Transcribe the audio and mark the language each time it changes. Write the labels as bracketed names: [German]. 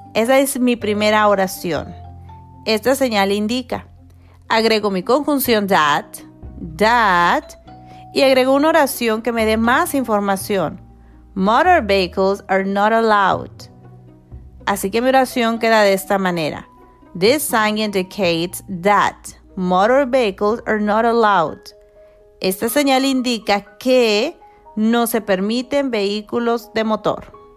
[Spanish] Esa es mi primera oración. Esta señal indica. Agrego mi conjunción that, y agrego una oración que me dé más información. [English] Motor vehicles are not allowed. [Spanish] Así que mi oración queda de esta manera. [English] This sign indicates that motor vehicles are not allowed. [Spanish] Esta señal indica que no se permiten vehículos de motor.